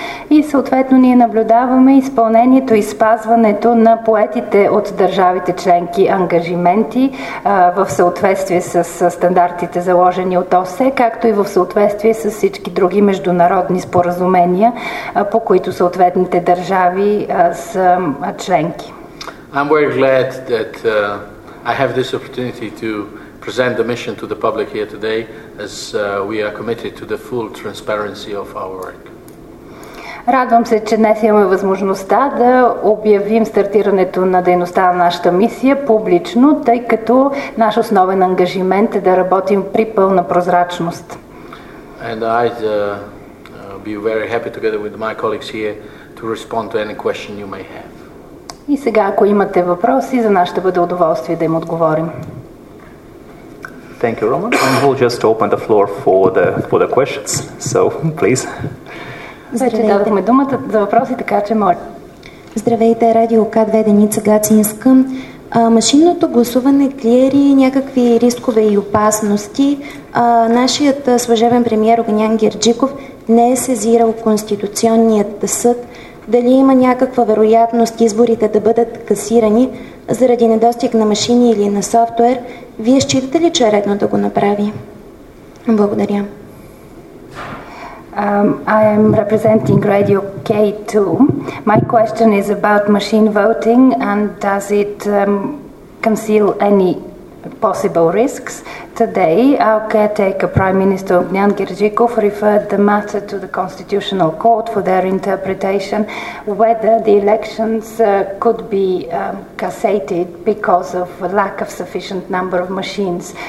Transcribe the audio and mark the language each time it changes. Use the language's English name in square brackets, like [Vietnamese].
[Bulgarian] И съответно ние наблюдаваме изпълнението и спазването на поетите от държавите членки ангажименти в съответствие с стандартите, заложени от ОСЕ, както и в съответствие с всички други международни споразумения, по които съответните държави са членки. [English] I'm very glad that I have this opportunity to present the mission to the public here today, as we are committed to the full transparency of our work. [Bulgarian] Радвам се, че днес имаме възможността да обявим стартирането на дейността на нашата мисия публично, тъй като наш основен ангажимент е да работим при пълна прозрачност. [English] And I'd be very happy together with my colleagues here to respond to any question you may have. [Bulgarian] И сега, ако имате въпроси, за нас ще бъде удоволствие да им отговорим. [English] Thank you, Roman. And we'll just open the floor for the questions. So, please. [Bulgarian] Вече дадохме думата за въпроси, така че може. Здравейте, радио К2 Деница Гацинска. Машинното гласуване клири някакви рискове и опасности. Нашият служебен премиер Огнян Герджиков не е сезирал Конституционният съд. Дали има някаква вероятност изборите да бъдат касирани заради недостиг на машини или на софтуер? Вие считате ли, че е редно да го направи? Благодаря. [English] I am representing Radio K2. My question is about machine voting and does it conceal any possible risks? Today, our caretaker Prime Minister Ognjan Gerzhikov referred the matter to the Constitutional Court for their interpretation whether the elections could be cassated because of a lack of sufficient number of machines.